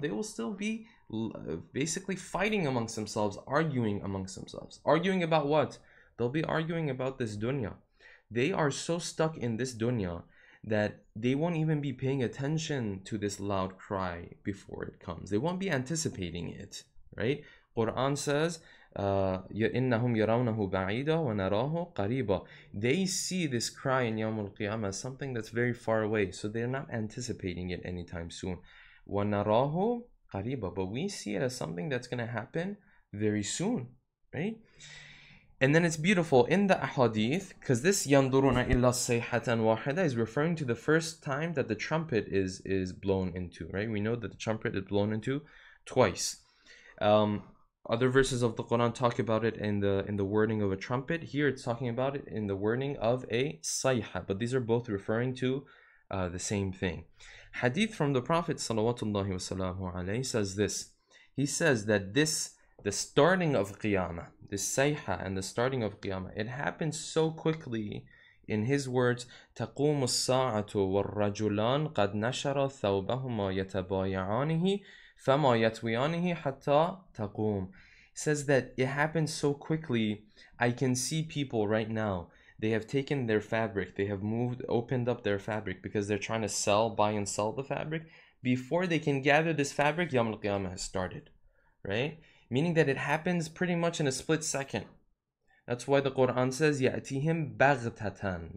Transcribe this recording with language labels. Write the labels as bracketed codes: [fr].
[en] They will still be basically fighting amongst themselves, arguing amongst themselves. Arguing about what? They'll be arguing about this dunya. They are so stuck in this dunya that they won't even be paying attention to this loud cry before it comes. They won't be anticipating it, right? Quran says, [ar] يَإِنَّهُمْ يَرَوْنَهُ بَعِيدًا وَنَرَاهُ قَرِيبًا. [en] They see this cry in Yawm al-Qiyamah as something that's very far away, so they're not anticipating it anytime soon. [ar] وَنَرَاهُ قَرِيبًا. [en] But we see it as something that's going to happen very soon, right? And then it's beautiful in the ahadith, because this [ar] yanduruna illa sayhatan wahida [en] is referring to the first time that the trumpet is blown into, right? We know that the trumpet is blown into twice. Other verses of the Quran talk about it in the wording of a trumpet. Here it's talking about it in the wording of a sayha, but these are both referring to the same thing. Hadith from the Prophet sallallahu alaihi says this. He says that this, the starting of Qiyamah, the Sayha and the starting of Qiyamah, it happens so quickly. In his words, [ar] تَقُومُ السَّاعَةُ وَالرَّجُلَانِ قَدْ نَشَرَ ثَوْبَهُمَا يَتَبَايَعَانِهِ فَمَا يَتْوِيَانِهِ حَتَّى تَقُومُ. [en] It says that it happens so quickly, I can see people right now. They have taken their fabric, they have moved, opened up their fabric because they're trying to sell, buy and sell the fabric. Before they can gather this fabric, Yawm al-Qiyamah has started, right? Meaning that it happens pretty much in a split second. That's why the Quran says, [ar] يَأْتِهِمْ بَغْتَةً.